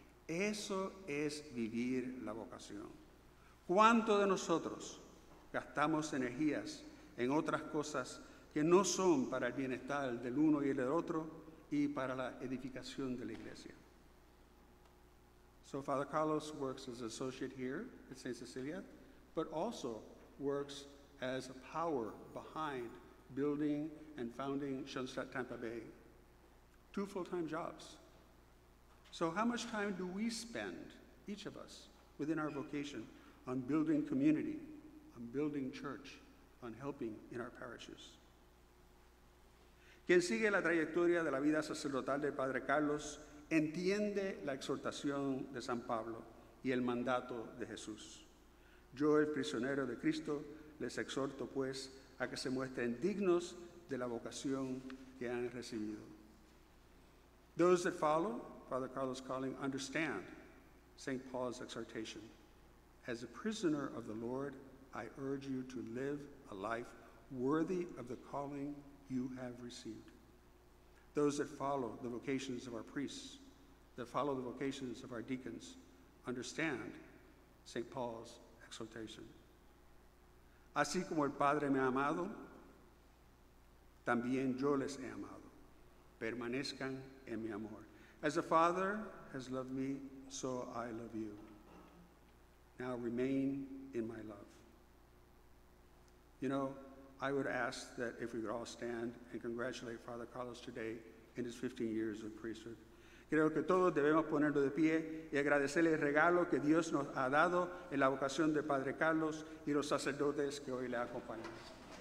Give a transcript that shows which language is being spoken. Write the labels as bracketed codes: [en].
[es] Eso es vivir la vocación. ¿Cuánto de nosotros gastamos energías en otras cosas que no son para el bienestar del uno y el otro y para la edificación de la iglesia? [en] So Father Carlos works as an associate here at St. Cecilia, but also works as a power behind building and founding Schoenstatt Tampa Bay. Two full-time jobs. So how much time do we spend, each of us, within our vocation, on building community, on building church, on helping in our parishes? [es] Quien sigue la trayectoria de la vida sacerdotal del Padre Carlos entiende la exhortación de San Pablo y el mandato de Jesús. Yo, el prisionero de Cristo, les exhorto, pues, a que se muestren dignos de la vocación que han recibido. [en] Those that follow Father Carlos' calling understand St. Paul's exhortation. As a prisoner of the Lord, I urge you to live a life worthy of the calling you have received. Those that follow the vocations of our priests, that follow the vocations of our deacons, understand St. Paul's exhortation. [es] Así como el Padre me ha amado, también yo les he amado. Permanezcan en mi amor. [en] As the Father has loved me, so I love you. Now remain in my love. You know, I would ask that if we could all stand and congratulate Father Carlos today in his 15 years of priesthood. [es] Creo que todos debemos ponernos de pie y agradecerle el regalo que Dios nos ha dado en la vocación de Padre Carlos y los sacerdotes que hoy le acompañan.